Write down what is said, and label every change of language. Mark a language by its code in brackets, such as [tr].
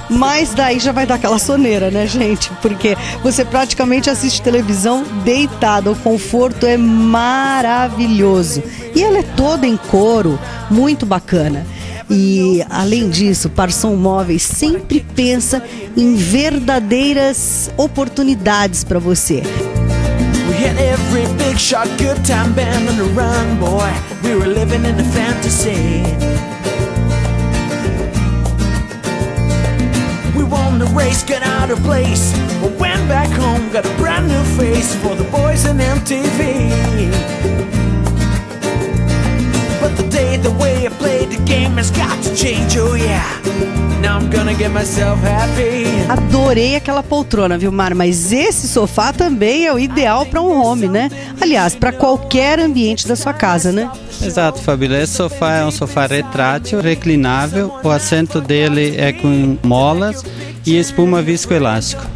[pt] Mas daí já vai dar aquela soneira, né, gente? Porque você praticamente assiste televisão deitado. O conforto é maravilhoso. E ela é toda em couro, muito bacana. E além disso, Parson Móveis sempre pensa em verdadeiras oportunidades para você. [en] And every big shot, good time band on the run, boy. We were living in a fantasy. We won the race, got out of place. We went back home, got a brand new face for the boys on MTV. But the day, the way I played the game has got to change, oh yeah. Now I'm gonna get myself happy. [pt] Adorei aquela poltrona, viu, Mar? Mas esse sofá também é o ideal para um home, né? Aliás, para qualquer ambiente da sua casa, né? Exato, Fabíola. Esse sofá é um sofá retrátil, reclinável. O assento dele é com molas e espuma viscoelástico.